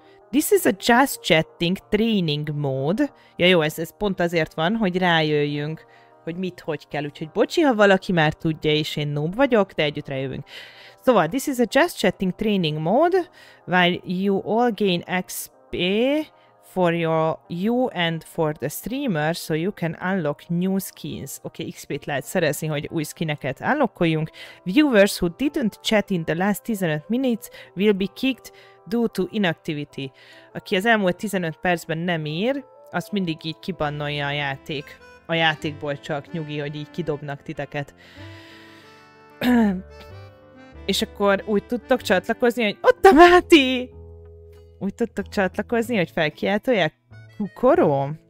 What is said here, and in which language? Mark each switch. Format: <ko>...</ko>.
<en>This is a just chatting training mode.</en> <hu>Ja jó, ez pont azért van, hogy rájöjjünk, hogy mit hogy kell. Úgyhogy bocsi, ha valaki már tudja, és én noob vagyok, de együtt rájövünk.</hu> <en>Szóval, this is a just chatting training mode, while you all gain XP... for your you and for the streamer, so you can unlock new skins.</en> <hu>Okay, XP-t lehet szerezni, hogy új skineket unlockoljunk.</hu> <en>Viewers who didn't chat in the last 15 minutes will be kicked due to inactivity.</en> <hu>Aki az elmúlt 15 percben nem ír, azt mindig így kibannolja a játék. A játékból csak nyugi, hogy így kidobnak titeket. És akkor úgy tudtok csatlakozni, hogy ott a Máti! Úgy tudtok csatlakozni, hogy felkiáltolják Kukoro?</hu>